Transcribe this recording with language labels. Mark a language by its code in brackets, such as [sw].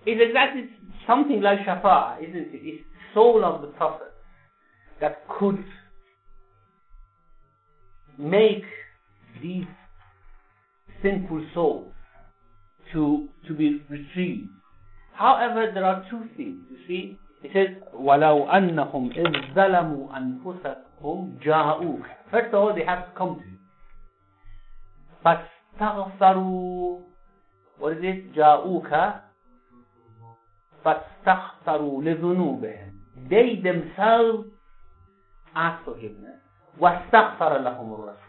[en] It's exactly something like Shafa'ah, isn't it? It's the soul of the Prophet that could make these sinful souls to be retrieved. However, there are two things, you see. He says, [ar] وَلَوْ أَنَّهُمْ إِذْ ظَلَمُوا أَنفُسَكُمْ جَاءُوكَ. [en] First of all, they have to come to you. [ar] فَاسْتَغْفَرُوا. [en] What is it? [ar] جَاءُوكَ. فَاسْتَغْفَرُوا لِذُنُوبِهِمْ. [en] They themselves ask forgiveness. [ar] وَاسْتَغْفَرَ لَهُمُ الرَّسُولُ.